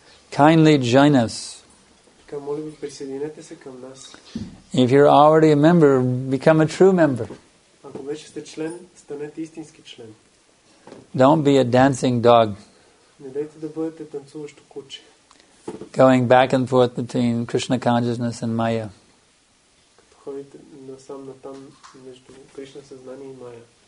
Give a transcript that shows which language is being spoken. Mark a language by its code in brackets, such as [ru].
[en] Kindly join us. [bg] Така, моля ви, присъединете се към нас. [en] If you're already a member, become a true member. [bg] Ако вече сте член, станете истински член. [en] Don't be a dancing dog. [bg] Не дайте да бъдете танцуващо куче. [en] Going back and forth between Krishna consciousness and Maya. [bg] Като ходите насам натам между Кришна съзнание и Maya.